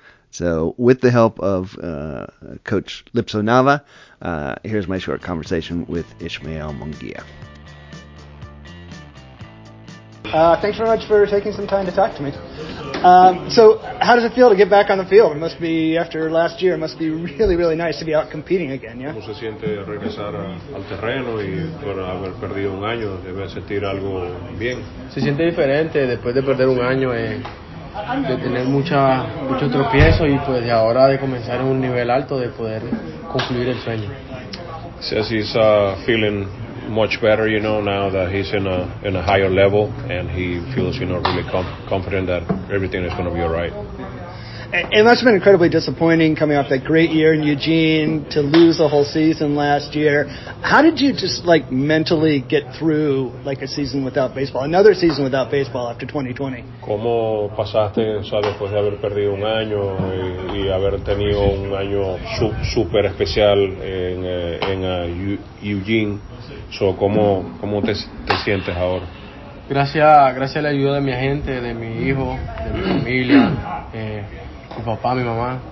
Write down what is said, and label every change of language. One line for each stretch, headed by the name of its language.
English: So with the help of Coach Lipso Nava, here's my short conversation with Ismael Munguia. Thanks very much for taking some time to talk to me. So how does it feel to get back on the field? It must be, after last year, it must be really, really nice to be out competing again, yeah?
Spanish: ¿Cómo se siente regresar al terreno y por haber perdido un año? ¿Debe sentir algo bien? Se siente diferente después de perder un año de tener mucho tropiezo y pues de ahora de comenzar en un nivel alto de poder concluir el sueño.
English: Says he's feeling much better, you know, now that he's in a higher level and he feels, you know, really confident that everything is going to be all right. It must have been incredibly disappointing coming off that great year in Eugene to lose the whole season last year. How did you just, like, mentally get through, like, a season without baseball, another season without baseball after 2020?
Spanish: ¿Cómo pasaste, sabes, después de haber perdido un año y haber tenido un año super especial en Eugene? So, ¿cómo te sientes ahora? Gracias a la ayuda de mi agente, de mi hijo, de mi familia, mi papá, mi mamá.